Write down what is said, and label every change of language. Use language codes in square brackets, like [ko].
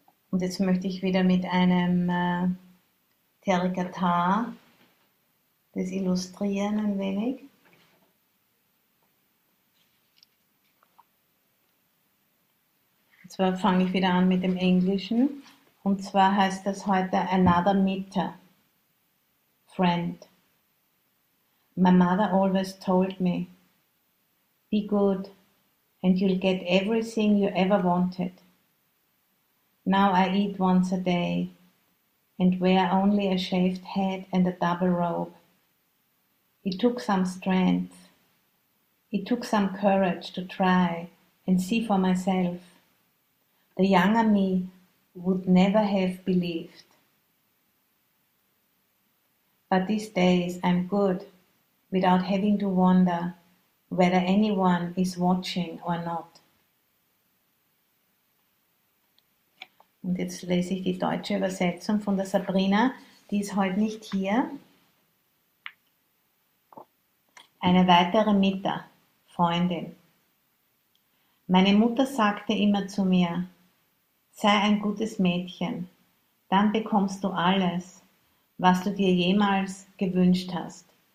[de] Und jetzt möchte ich wieder mit einem Terikata das illustrieren ein wenig. Zwar fange ich wieder an mit dem Englischen. Und zwar heißt das heute [en] another meter, friend. My mother always told me, be good and you'll get everything you ever wanted. Now I eat once a day and wear only a shaved head and a double robe. It took some strength. It took some courage to try and see for myself. The younger me would never have believed. But these days I'm good without having to wonder whether anyone is watching or not. [de] Und jetzt lese ich die deutsche Übersetzung von der Sabrina, die ist heute nicht hier. Eine weitere Mutter, Freundin. Meine Mutter sagte immer zu mir, sei ein gutes Mädchen, dann bekommst du alles, was du dir jemals gewünscht hast.